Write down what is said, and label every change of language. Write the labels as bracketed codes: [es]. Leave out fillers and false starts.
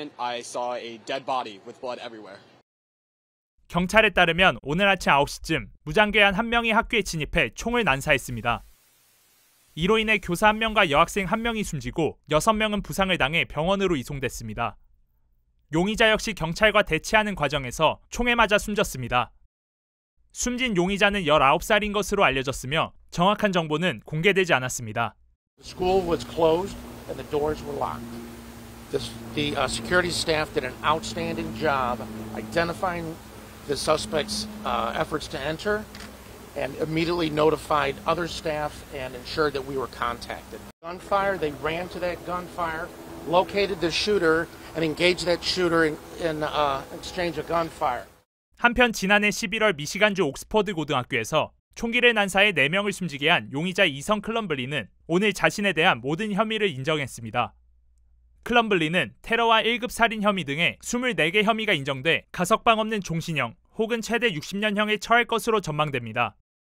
[en] Somebody behind you. We like they out already. And one of them said it was our student who was doing a shooting. Shot by St. Louis Police Department. I saw a dead body with blood everywhere. [ko] 경찰에 따르면 오늘 아침 9시쯤 무장괴한 한 명이 학교에 진입해 총을 난사했습니다. 이로 인해 교사 한 명과 여학생 한 명이 숨지고 6명은 부상을 당해 병원으로 이송됐습니다. 용의자 역시 경찰과 대치하는 과정에서 총에 맞아 숨졌습니다. 숨진 용의자는 19살인 것으로 알려졌으며 정확한 정보는 공개되지 않았습니다. [en] The school was closed and the doors were locked. The security staff did an outstanding job identifying the suspect's efforts to enter and immediately notified other staff and ensured that we were contacted. Gunfire, they ran to that gunfire, located the shooter and engaged that shooter in exchange of gunfire. [ko] 한편 지난해 11월 미시간주 옥스퍼드 고등학교에서 총기를 난사해 4명을 숨지게 한 용의자 이성 클럼블리는 오늘 자신에 대한 모든 혐의를 인정했습니다. 클럼블리는 테러와 1급 살인 혐의 등의 24개 혐의가 인정돼 가석방 없는 종신형 혹은 최대 60년형에 처할 것으로 전망됩니다.